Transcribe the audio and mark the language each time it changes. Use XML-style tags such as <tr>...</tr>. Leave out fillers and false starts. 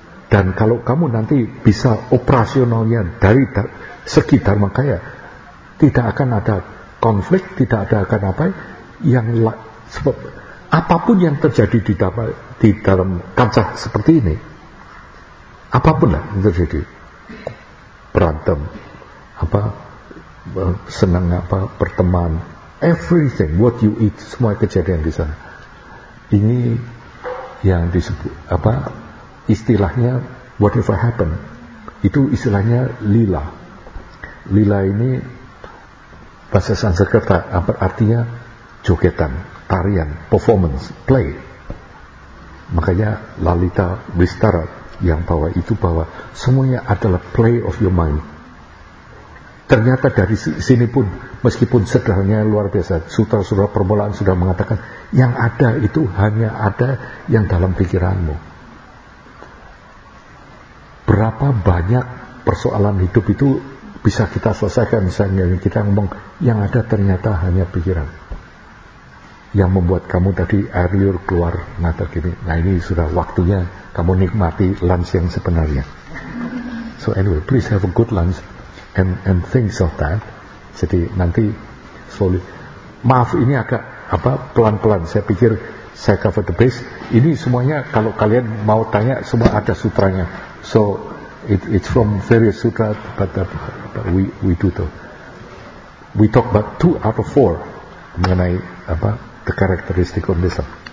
<id>Dan kalau kamu nanti bisa operasionalnya dari segi Dharmakaya, tidak akan ada konflik, tidak ada akan apa yang apapun yang terjadi di dalam kancah seperti ini, apapun lah yang terjadi, berantem, apa senang, apa berteman, everything, what you eat, semua kejadian di sana. Ini yang disebut apa istilahnya, whatever happen, itu istilahnya lila. Lila ini bahasa Sanskerta apa artinya? Jogetan, tarian, performance, play. Makanya Lalita Wistara yang bawa itu, bahwa semuanya adalah play of your mind. Ternyata dari sini pun, meskipun sederhananya luar biasa, sutra-sutra permulaan sudah mengatakan yang ada itu hanya ada yang dalam pikiranmu. Berapa banyak persoalan hidup itu bisa kita selesaikan, misalnya kita ngomong yang ada ternyata hanya pikiran yang membuat kamu tadi air liur keluar mata gini. Nah ini sudah waktunya kamu nikmati lunch yang sebenarnya.</id> <en>So anyway, please have a good lunch and things of that.</en> <id>Jadi nanti slowly. Maaf ini agak apa pelan-pelan. Saya pikir saya cover the base. Ini semuanya kalau kalian mau tanya semua ada sutranya.</id> <en>So it's from various sutra, but we do though. We talk about 2 out of 4 mengenai apa the characteristic of this one.</en>